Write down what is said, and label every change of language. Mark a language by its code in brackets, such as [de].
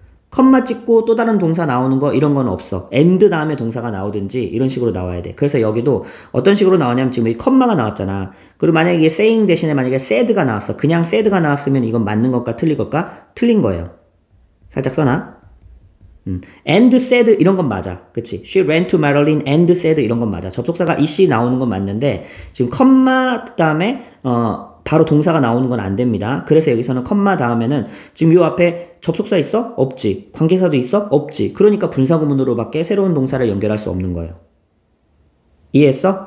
[ko] 컷마 찍고 또 다른 동사 나오는 거 이런 건 없어. 엔드 다음에 동사가 나오든지 이런 식으로 나와야 돼. 그래서 여기도 어떤 식으로 나오냐면 지금 이 컷마가 나왔잖아. 그리고 만약에 이게 saying 대신에 만약에 said가 나왔어. 그냥 said가 나왔으면 이건 맞는 것과 틀린 것과 틀린 거예요. 살짝 써놔. [en] And said [ko] 이런 건 맞아. 그치? [en] She ran to Marilyn and said [ko] 이런 건 맞아. 접속사가 is 나오는 건 맞는데 지금 컴마 다음에 바로 동사가 나오는 건안 됩니다. 그래서 여기서는 컴마 다음에는 지금 요 앞에 접속사 있어? 없지. 관계사도 있어? 없지. 그러니까 분사구문으로밖에 새로운 동사를 연결할 수 없는 거예요. 이해했어?